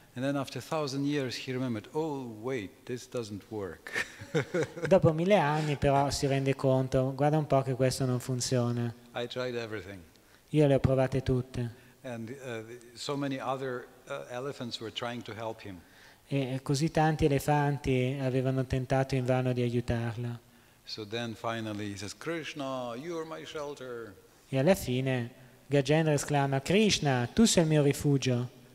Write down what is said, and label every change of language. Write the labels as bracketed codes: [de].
[en] And then after 1000 years he remembered, oh wait, this doesn't work. [it] Dopo mille anni però si rende conto, guarda un po' che questo non funziona. [en] I tried everything. [it] Io le ho provate tutte. [en] And so many other elephants were trying to help him. [it] E così tanti elefanti avevano tentato invano di aiutarlo. [en] So then finally he says, Krishna, you are my shelter. [it] E alla fine Gajendra esclama, Krishna, tu sei il mio rifugio.